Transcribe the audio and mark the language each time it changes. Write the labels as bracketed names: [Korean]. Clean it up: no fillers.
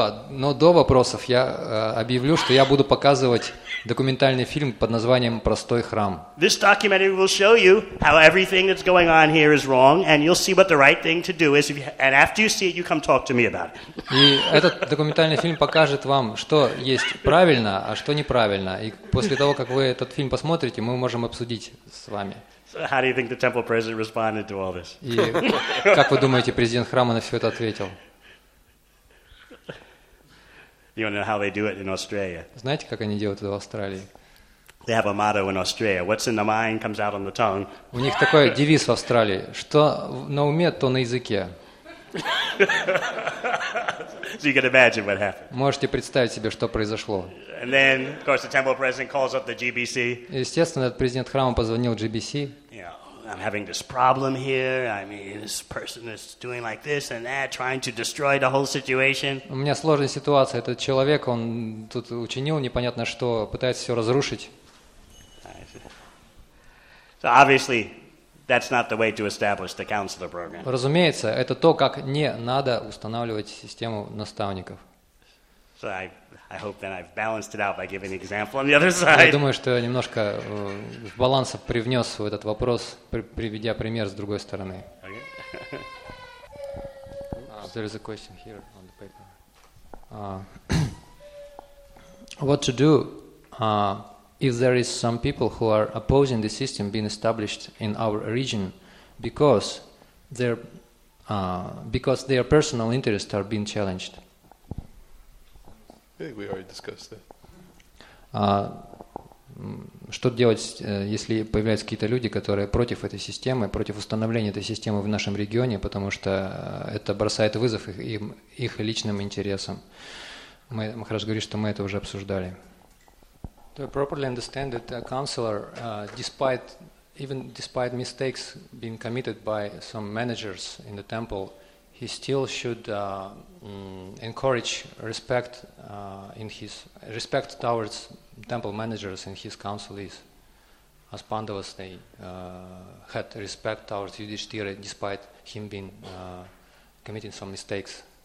[Russian] Но до вопросов я объявлю, что я буду показывать документальный фильм под названием «Простой храм». [English] This documentary will show you how everything that's going on here is wrong, and you'll see what the right thing to do is. And after you see it, you come talk to me about it. [Russian] И этот документальный фильм покажет вам, что есть правильно, а что неправильно. И после того, как вы этот фильм посмотрите, мы можем обсудить с вами. [English] So how do you think the temple president responded to all this? [Russian] И как вы думаете, президент храма на все это ответил? [English] You want to know how they do it in Australia? [Russian] Знаете, как они делают это в Австралии? [English] They have a motto in Australia: "What's in the mind comes out on the tongue." [Russian] У них такой девиз в Австралии: что на уме, то на языке. [English] So you can imagine what happened. [Russian] Можете представить себе, что произошло. [English] And then, of course, the temple president calls up the GBC. [Russian] Естественно, этот президент храма позвонил GBC. [English] I'm having this problem here. I mean, this person is doing like this and that, trying to destroy the whole situation. [Russian] У меня сложная ситуация. Этот человек, он тут учинил непонятно что, пытается все разрушить. [English] So obviously, that's not the way to establish the counselor program. [Russian] Разумеется, это то, как не надо устанавливать систему наставников. [English] So I hope that I've balanced it out by giving an example on the other side. [Russian] Я думаю, что я немножко в баланс привнес в этот вопрос, приведя пример с другой стороны. [English] There is a question here on the paper. What to do if there is some people who are opposing the system being established in our region because their personal interests are being challenged? I think we already discussed that. [Russian] Что делать, если появляются какие-то люди, которые против этой системы, против установления этой системы в нашем регионе, потому что это бросает вызов их личным интересам? Мы хорошо говорим, что мы это уже обсуждали. [English] To properly understand that a counselor, despite mistakes being committed by some managers in the temple, he still should encourage respect in his respect towards temple managers and his counselees, as Pandavas they had respect towards Yudhishthira despite him being committing some mistakes.